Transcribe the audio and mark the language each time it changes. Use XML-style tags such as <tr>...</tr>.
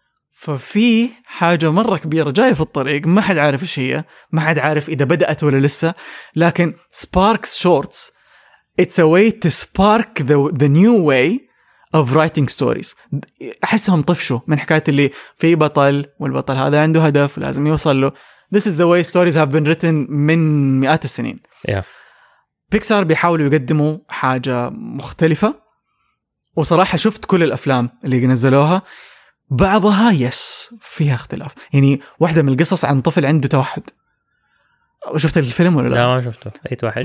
<ar>ففي حاجة مرة كبيرة جاية في الطريق، ما حد عارف إيش هي، ما حد عارف إذا بدأت ولا لسه، لكن</ar> <en>Sparks Shorts It's a way to spark the new way of writing stories.</en> <ar>أحسهم طفشوا من حكاية اللي في بطل والبطل هذا عنده هدف لازم يوصل له.</ar> <en>This is the way stories have been written</en> <ar>من مئات السنين.</ar> <en>Yeah.</en> <ar>بيكسار بيحاولوا يقدموا حاجة مختلفة، وصراحة شفت كل الأفلام اللي نزلوها، بعضها يس فيها اختلاف. يعني واحدة من القصص عن طفل عنده توحد، شفت الفيلم ولا لا؟ لا ما شفته. أي توحد؟</ar>